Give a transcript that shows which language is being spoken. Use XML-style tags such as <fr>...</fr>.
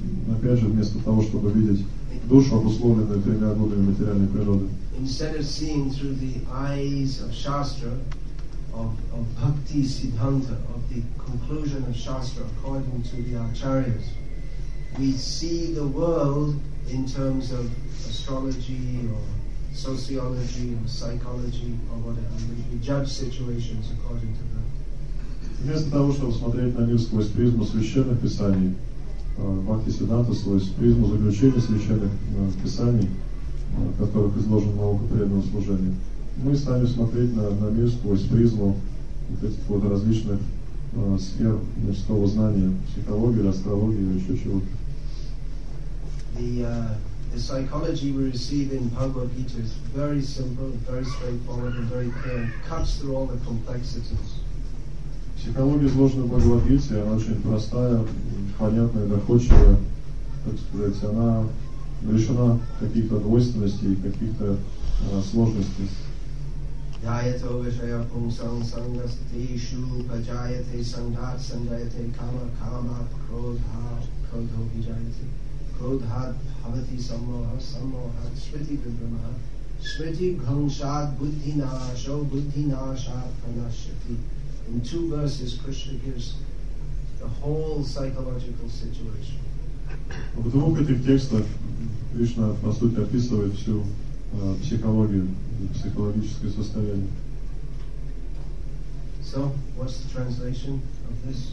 <ru>Опять же, вместо того, чтобы видеть душу, обусловленную тремя гунами материальной природы.</ru> <en>Instead of seeing through the eyes of Shastra, of Bhakti Siddhanta, of the conclusion of Shastra according to the Acharyas, we see the world in terms of astrology or sociology or psychology or whatever. We judge situations according to that.</en> <ru>Вместо того, чтобы смотреть на них сквозь призму священных писаний, Бхакти Сиддханта, сквозь призму заключения священных писаний, в которых изложена наука преданного служения, мы стали смотреть на мир сквозь призму вот этих вот различных сфер мирского знания, психологии, астрологии, еще чего-то.</ru> <en>The psychology we receive in Bhagavad Gita is very simple, very straightforward, and very clear. It cuts through all the complexities.</en> <ru>Психология, изложенная в Бхагавад Гите, она очень простая, понятная, доходчивая. Так сказать, она лишена каких-то двойственностей, каких-то сложностей.</ru> <sa>Jayate Vishaya Pumsam Sangasteshu Pajayate Sangat Sangayate Kama Kama Krodha Krodho Vijayate Krodhat Havati Sammoha Sammoha Shriti Vibramaha Shriti Ghamshat Buddhi Nasho Buddhi Nashat Panashati.</sa> <en>In two verses, Krishna gives the whole psychological situation.</en> <ru>В двух этих текстах Кришна, по сути, описывает всю психологию, психологическое состояние.</ru> <en>So, what's the translation of this?</en>